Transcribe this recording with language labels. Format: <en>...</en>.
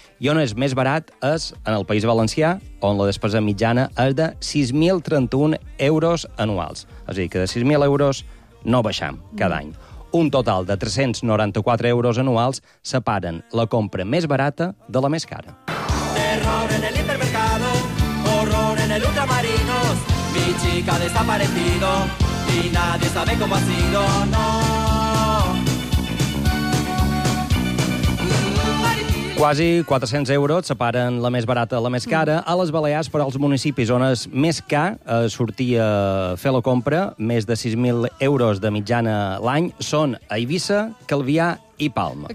<ca>I on és més barat és en el País Valencià, on la despesa mitjana és de 6.031 euros anuals. És a dir, que de 6.000 euros no baixem cada any. Un total de 394 euros anuals separen la compra més barata de la més cara.</ca> <es>Error en el hipermercado, horror en el ultramarinos. Mi chica ha desaparecido y nadie sabe cómo ha sido, no.</es> <ca>Quasi 400 euros separen la més barata de la més cara. A les Balears, per als municipis on és més car sortir a fer la compra, més de 6.000 euros de mitjana l'any, són Eivissa, Calvià i Palma.</ca>